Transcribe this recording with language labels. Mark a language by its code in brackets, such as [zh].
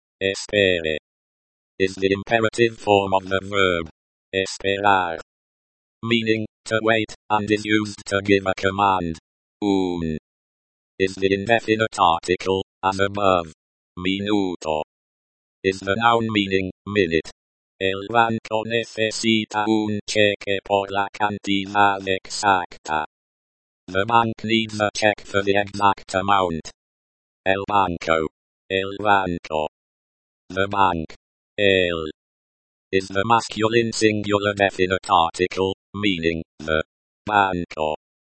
[en] Espere is the imperative form of the verb esperar, meaning to wait, and is used to give a command. Un is the indefinite article, as above. Minuto is the noun meaning minute. [es] El banco necesita un cheque por la cantidad exacta. [en] The bank needs a check for the exact amount. [es] El banco. El banco. [en] The bank. El is the masculine singular definite article, meaning the banco.